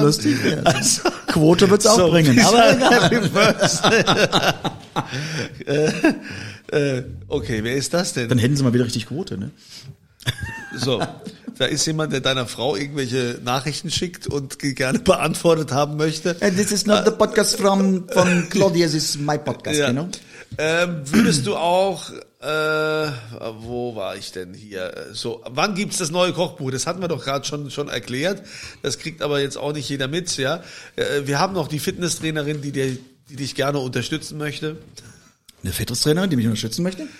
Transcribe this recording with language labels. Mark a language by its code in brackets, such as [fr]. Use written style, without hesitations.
[de] Lustig wäre es. Also, Quote wird es auch bringen. Aber [en] Happy Birthday. [de] okay, wer ist das denn? Dann hätten sie mal wieder richtig Quote, ne? So, da ist jemand, der deiner Frau irgendwelche Nachrichten schickt und gerne beantwortet haben möchte. [en] And this is not the podcast from Claudia, this is my podcast, ja. You know? [de] Würdest du auch, wo war ich denn hier? So, wann gibt's das neue Kochbuch? Das hatten wir doch gerade schon erklärt. Das kriegt aber jetzt auch nicht jeder mit, ja. Wir haben noch die Fitnesstrainerin, die dich gerne unterstützen möchte. Eine Fitnesstrainerin, die mich unterstützen möchte?